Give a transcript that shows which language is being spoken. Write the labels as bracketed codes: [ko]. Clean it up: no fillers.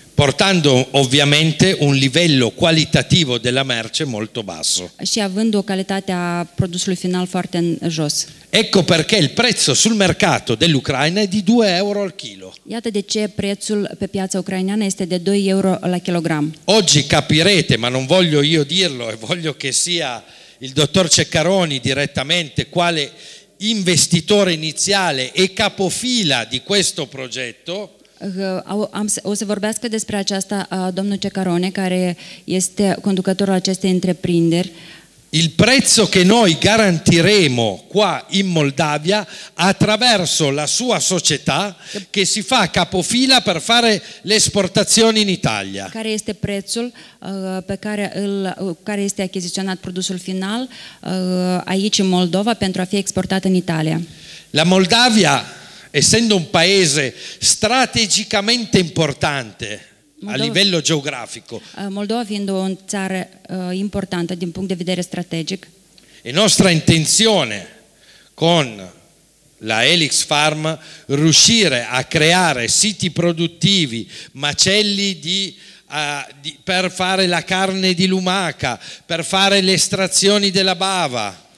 [it] Portando ovviamente un livello qualitativo della merce molto basso. [ro] Și având o calitate a produsului final foarte jos. [it] Ecco perché il prezzo sul mercato dell'Ucraina è di 2 euro al chilo. [ro] Iată de ce prețul pe piața ucraineană este de 2 euro la kilogram. [it] Oggi capirete, ma non voglio io dirlo e voglio che sia il dottor Ceccaroni direttamente quale investitore iniziale e capofila di questo progetto. [ro] O să vorbească despre aceasta domnul Cecarone, care este conducătorul acestei întreprinderi. [it] Il prezzo che noi garantiremo qua in Moldavia attraverso la sua società che si fa capofila per fare le esportazioni in Italia. [ro] Care este prețul pe care îl care este achiziționat produsul final aici în Moldova pentru a fi exportat în Italia. [it] La Moldavia, essendo un paese strategicamente importante a livello geografico. [ro] Moldova fiind o țară importantă din punct de vedere strategic. [it] E nostra intenzione con la Helix Farm riuscire a creare siti produttivi, macelli di per fare la carne di lumaca, per fare le estrazioni della bava.